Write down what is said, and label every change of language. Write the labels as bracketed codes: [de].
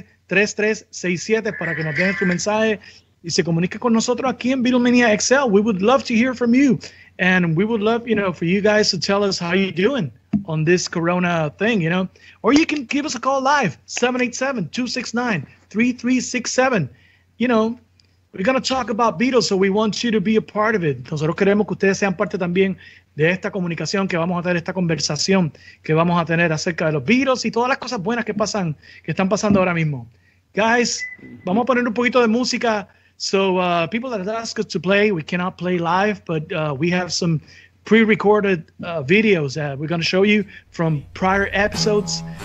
[es] 1-787-269-3367 para que nos den su mensaje y se comunique con nosotros aquí en Beatlemania XL. [en] We would love to hear from you, and we would love, you know, for you guys to tell us how you're doing on this corona thing, you know. Or you can give us a call live, 787-269-3367. You know, we're going to talk about Beatles, so we want you to be a part of it. [es] Nosotros queremos que ustedes sean parte también de esta comunicación que vamos a tener, esta conversación que vamos a tener acerca de los Beatles y todas las cosas buenas que pasan, que están pasando ahora mismo. Guys, vamos a poner un poquito de música. [en] So people that ask us to play, we cannot play live, but we have some pre-recorded videos that we're going to show you from prior episodes.